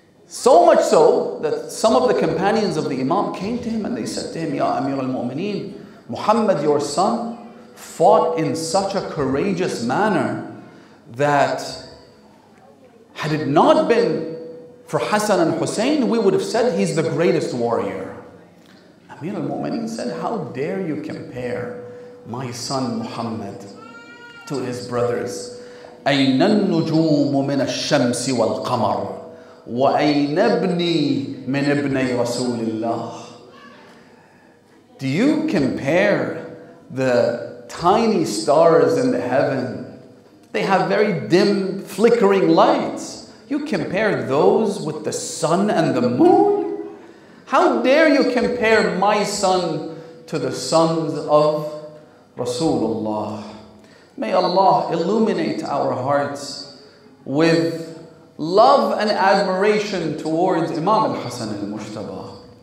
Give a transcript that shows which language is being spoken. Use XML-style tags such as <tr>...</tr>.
<en>So much so that some of the companions of the Imam came to him and they said to him, Ya Amir al-Mu'mineen, Muhammad your son fought in such a courageous manner that had it not been for Hassan and Hussein, we would have said he's the greatest warrior. Amir al-Mu'mineen said, how dare you compare my son Muhammad to his brothers?</en> <ar>أَيْنَ النُّجُومُ مِنَ الشَّمْسِ وَالْقَمَرُ وَأَيْنَ ابْنِي مِنْ ابْنَي رَسُولِ اللَّهِ.</ar> <en>Do you compare the tiny stars in the heaven? They have very dim, flickering lights. You compare those with the sun and the moon? How dare you compare my son to the sons of Rasulullah? May Allah illuminate our hearts with love and admiration towards Imam al-Hasan al-Mujtaba.</en>